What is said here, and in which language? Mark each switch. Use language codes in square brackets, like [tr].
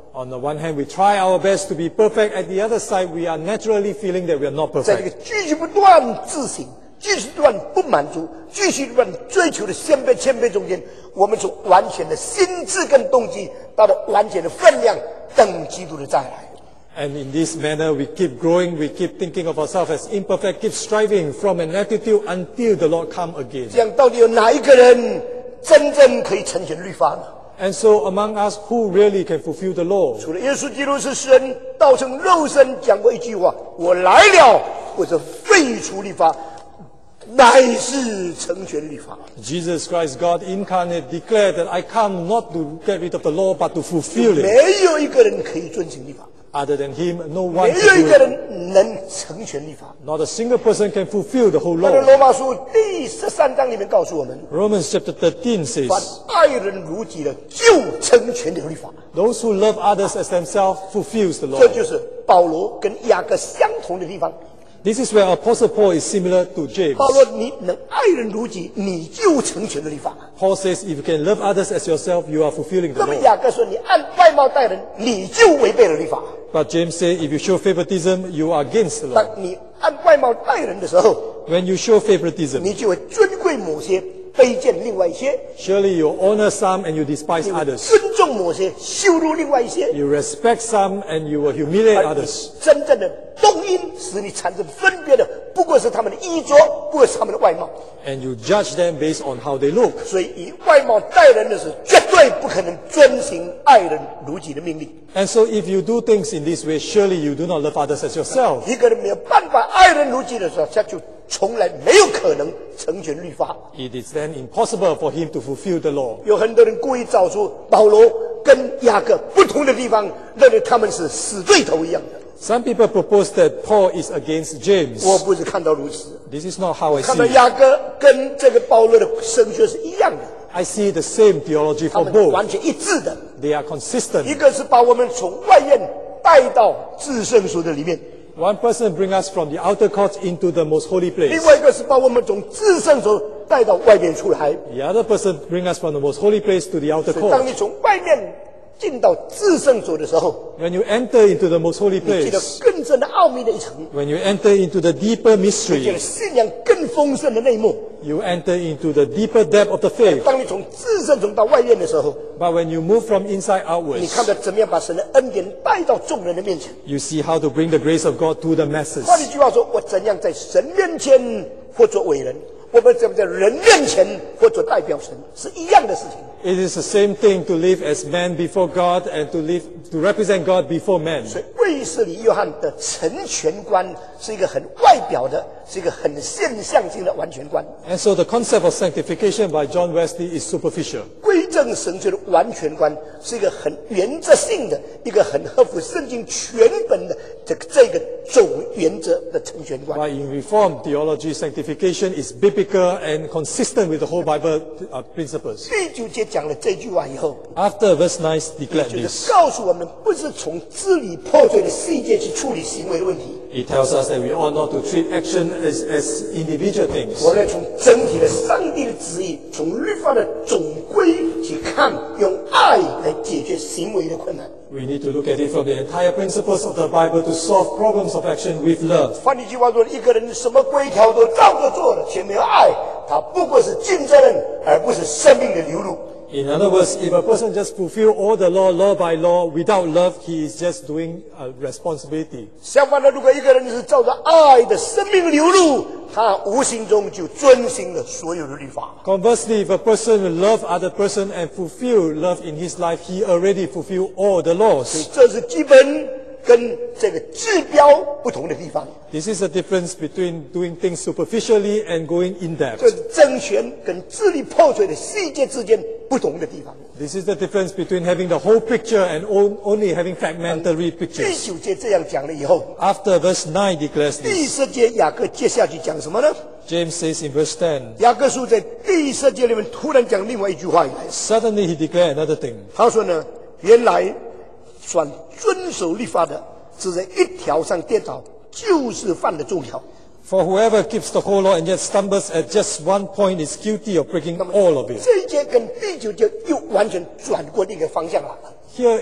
[en] On the one hand, we try our best to be perfect. At the other side, we are naturally feeling that we are not perfect. [zh] 在这个继续不断自省、继续不断不满足、继续不断追求的谦卑中间，我们从完全的心智跟动机，到了完全的分量，等基督的再来。 [en] And in this manner, we keep growing, we keep thinking of ourselves as imperfect, keep striving from an attitude until the Lord come again. [zh] 这样到底有哪一个人真正可以成全律法呢？ [en] And so among us, who really can fulfill the law? [zh] 除了耶稣基督是神道成肉身讲过一句话，我来了，不是废除律法，乃是成全律法。 [en] Jesus Christ, God incarnate, declared that I come not to get rid of the law, but to fulfill it. [zh] 没有一个人可以遵行律法。 [en] Other than him, no one. [zh] 没有一个人能成全律法。 [en] Not a single person can fulfill the whole law. [zh] 在罗马书第十三章里面告诉我们。 [en] Romans chapter 13 says. [zh] 凡爱人如己的，就成全了律法。 [en] Those who love others as themselves fulfills the law. [zh] 这就是保罗跟雅各相同的地方。 [en] This is where Apostle Paul is similar to James. [zh] 保罗，你能爱人如己，你就成全了律法。 [en] Paul says, if you can love others as yourself, you are fulfilling the law. [zh] 那么雅各说，你按外貌待人，你就违背了律法。 [en] But James says, if you show favoritism, you are against the law. [zh] 当你按外貌待人的时候 [en] ，When you show favoritism, [zh] 你就会尊贵某些，卑贱另外一些。 [en] Surely you honor some and you despise others. [zh] 尊重某些，羞辱另外一些。 [en] You respect some and you will humiliate others. [zh] 真正的动因使你产生分别的，不过是他们的衣着，不过是他们的外貌。 [en] And you judge them based on how they look. [zh] 所以以外貌待人的是绝对不可能遵行爱人如己的命令。 [en] And so if you do things in this way, surely you do not love others as yourself. [zh] 一个人没有办法爱人如己的时候，他就从来没有可能成全律法。 [en] It is then impossible for him to fulfill the law. [zh] 有很多人故意找出保罗跟雅各不同的地方，认为他们是死对头一样的。 [en] Some people propose that Paul is against James. [zh] 我不是看到如此。 [en] This is not how I see. [zh] 看到雅各跟这个保罗的神学是一样的。 [en] I see the same theology for both. [zh] 他们完全一致的。 [en] They are consistent. [zh] 一个是把我们从外院带到至圣所的里面。 [en] One person bring us from the outer court into the most holy place. [zh] 另外一个是把我们从至圣所带到外面出来。 [en] The other person bring us from the most holy place to the outer court. [zh] 当你从外面进到至圣所的时候， [en] When you enter into the most holy place, [zh] 你进到更深的奥秘的一层， [en] When you enter into the deeper mystery, [zh] 你进到信仰更丰盛的内幕， [en] You enter into the deeper depth of the faith. [zh] 当你从至圣所到外院的时候， [en] But when you move from inside outwards, [zh] 你看到怎么样把神的恩典带到众人的面前， [en] You see how to bring the grace of God to the masses. [zh] 换一句话说，我怎样在神面前活作伟人，我们怎么在人面前活作代表神，是一样的事情。 [en] It is the same thing to live as man before God and to live to represent God before man. [zh] 所以卫斯理约翰的成全观是一个很外表的，是一个很现象性的完全观。 [en] And so the concept of sanctification by John Wesley is superficial. [zh] 归正神学的完全观是一个很原则性的，一个很合乎圣经全本的这个总原则的成全观。 [en] But in Reformed theology, sanctification is biblical and consistent with the whole Bible principles. [zh] 讲了这句话以后， [en] After verse 9 declared this, [zh] 也就是告诉我们不是从支离破碎的世界去处理行为问题。 [en] It tells us that we ought not to treat action as individual things. [zh] 我们从整体的上帝的旨意，从律法的总规去看，用爱来解决行为的困难。 [en] We need to look at it from the entire principles of the Bible to solve problems of action with love. [zh] 换一句话说，一个人什么规条都照着做了，却没有爱，他不过是尽责任，而不是生命的流露。 [en] In other words, if a person just fulfills all the law, law by law, without love, he is just doing a responsibility. [zh] 相反的，如果一个人是照着爱的生命流露，他无形中就遵行了所有的律法。 [en] Conversely, if a person loves other person and fulfills love in his life, he already fulfills all the laws. [zh] 这是基本跟这个治标不同的地方。 [en] This is the difference between doing things superficially and going in depth. [zh] 这是政权跟支离破碎的细节之间不同的地方。 [en] This is the difference between having the whole picture and only having fragmentary pictures. [zh] 第九节这样讲了以后, [en] After verse 9 declares this, [zh] 第十节雅各接下去讲什么呢? [en] James says in verse 10, [zh] 雅各书在第十节里面突然讲另外一句话以来, [en] Suddenly he declared another thing. [zh] 他说呢, 原来算遵守律法的只在一条上跌倒, 就是犯了重条。 [en] For whoever keeps the whole law and yet stumbles at just one point is guilty of breaking all of it. [zh] 这一节跟第九节又完全转过另一个方向了。 [en] Here